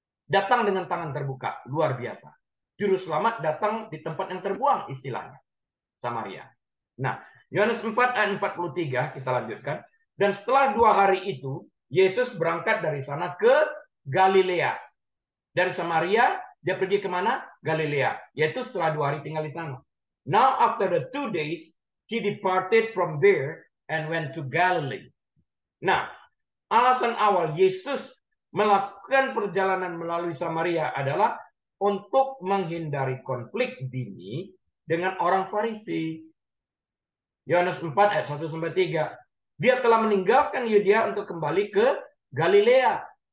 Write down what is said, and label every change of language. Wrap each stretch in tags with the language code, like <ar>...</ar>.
<id>Datang dengan tangan terbuka, luar biasa. Juru selamat datang di tempat yang terbuang, istilahnya. Samaria. Nah, Yohanes 4 ayat 43, kita lanjutkan. Dan setelah dua hari itu, Yesus berangkat dari sana ke Galilea. Dari Samaria, dia pergi ke mana? Galilea. Yaitu setelah dua hari tinggal di sana.</id> <en>Now after the 2 days, he departed from there and went to Galilee.</en> <id>Nah, alasan awal Yesus melakukan perjalanan melalui Samaria adalah untuk menghindari konflik dini dengan orang Farisi. Yohanes 4 ayat 1-3. Dia telah meninggalkan Yudea untuk kembali ke Galilea.</id>